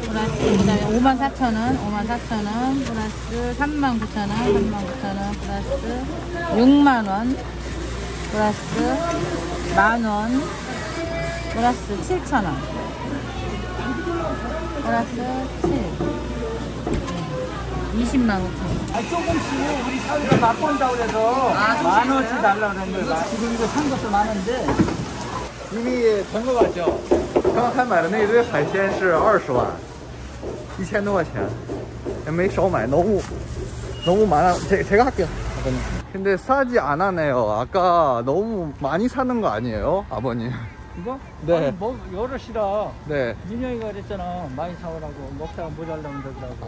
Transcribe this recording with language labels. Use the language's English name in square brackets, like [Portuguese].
[Korean] 플러스 54,000원, 54,000원 플러스 39,000원, 39,000원 플러스 60,000원 플러스 10,000원 플러스 7,000원 플러스 209,000원. 아, 조금씩 우리 사회가 맛본다고 해서 만 원씩 달라고 했는데 지금 이거 산 것도 많은데 이미 된 것 같죠? [Chinese] 刚才买的那堆海鲜是20万 1,000多块钱，也没少买，能不买了，这个给， [Korean] 아버님. 근데 사지 않았네요. 아까 너무 많이 사는 거 아니에요, 아버님? 이거? 네. 아니, 뭐 여럿이라. 네. 민영이가 그랬잖아, 많이 사오라고 먹다가 모자라면 되더라고.